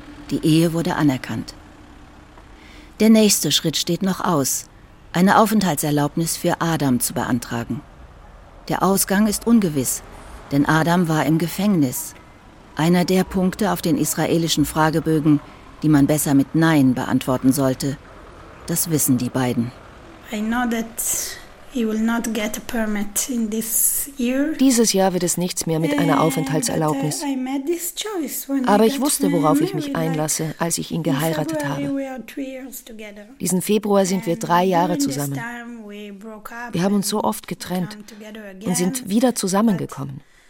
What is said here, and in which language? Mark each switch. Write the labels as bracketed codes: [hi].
[de] Die Ehe wurde anerkannt. Der nächste Schritt steht noch aus, eine Aufenthaltserlaubnis für Adam zu beantragen. Der Ausgang ist ungewiss, denn Adam war im Gefängnis. Einer der Punkte auf den israelischen Fragebögen, die man besser mit Nein beantworten sollte, das wissen die beiden. [en] I know that he will not get a permit in this year. [de] Dieses Jahr wird es nichts mehr mit einer Aufenthaltserlaubnis. Aber ich wusste, worauf ich mich einlasse, als ich ihn geheiratet habe. Diesen Februar sind wir 3 Jahre zusammen. Wir haben uns so oft getrennt und sind wieder zusammengekommen.